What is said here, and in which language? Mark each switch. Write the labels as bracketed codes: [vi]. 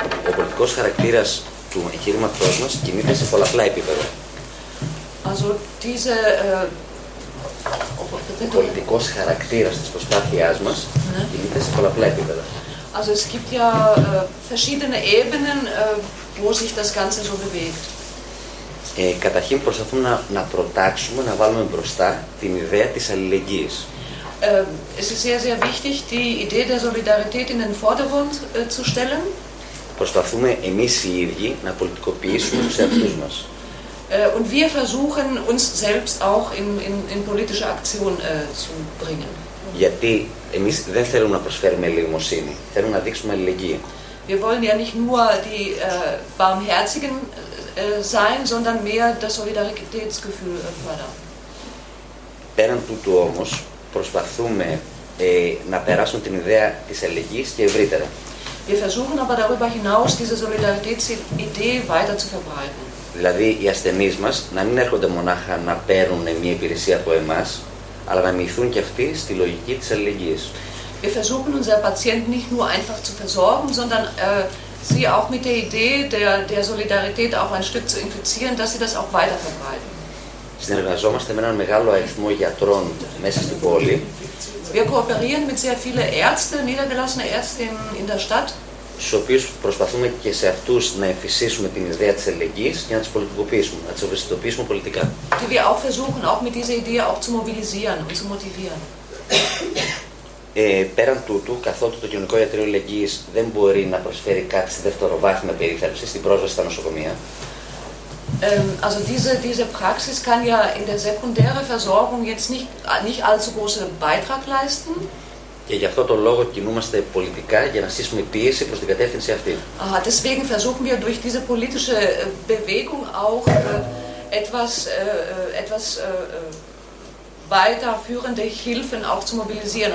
[el] Ο πολιτικός χαρακτήρας του εγχειρηματός μας κινείται σε πολλαπλά επίπεδα. [de] Also diese, [el] ο πολιτικός χαρακτήρας της προσπάθειάς μας κινείται σε πολλαπλά επίπεδα. [de] Also es gibt ja verschiedene Ebenen, wo sich das Ganze so bewegt. [el] Καταρχήν προσπαθούμε να προτάξουμε, να βάλουμε μπροστά την ιδέα της αλληλεγγύης. [de] Es ist sehr, sehr wichtig, die Idee der Solidarität in den Vordergrund zu stellen. [el] Προσπαθούμε εμείς οι ίδιοι να πολιτικοποιήσουμε τους εαυτούς μας. [de] Und wir versuchen uns selbst auch in politische Aktion zu bringen. [el] Γιατί εμείς δεν θέλουμε να προσφέρουμε ελεημοσύνη, θέλουμε να δείξουμε αλληλεγγύη. [de] Wir wollen ja nicht nur die Barmherzigen sein, sondern mehr das Solidaritätsgefühl fördern. [el] Πέραν τούτου όμως, προσπαθούμε να περάσουμε την ιδέα της αλληλεγγύης και ευρύτερα. [de] Wir versuchen aber darüber hinaus diese Solidaritätsidee weiter zu verbreiten. [el] Δηλαδή οι ασθενείς μας να μην έρχονται μονάχα να παίρνουν μια υπηρεσία από εμάς, αλλά να μειωθούν και αυτοί στη λογική της αλληλεγγύης. [de] Wir versuchen unsere Patienten nicht nur einfach zu versorgen, sondern sie auch mit der Idee der Solidarität auch ein Stück zu infizieren, dass sie das auch weiter verbreiten. [el] Συνεργαζόμαστε με έναν μεγάλο αριθμό γιατρών μέσα στην πόλη. [de] Wir kooperieren mit sehr vielen Ärzten, niedergelassenen Ärzten in der Stadt. [el] Στους οποίους προσπαθούμε και σε αυτούς να εμφυσίσουμε την ιδέα της αλληλεγγύης για να τις πολιτικοποιήσουμε, να τις ευαισθητοποιήσουμε πολιτικά. [de] Die wir auch versuchen, auch mit dieser Idee auch zu mobilisieren und zu motivieren. [el] Πέραν τούτου, καθότι το Κοινωνικό Ιατρείο Αλληλεγγύης δεν μπορεί να προσφέρει κάτι σε δευτεροβάθμια περίθαλψη στην πρόσβαση στα νοσοκομεία. [de] Also diese Praxis kann ja in der sekundären Versorgung jetzt nicht allzu großen Beitrag leisten. [el] Και γι' αυτό το λόγο κινούμαστε πολιτικά για να στήσουμε πίεση προς την κατεύθυνση αυτή. [de] Aha, deswegen versuchen wir durch diese politische Bewegung auch etwas weiterführende Hilfen auch zu mobilisieren.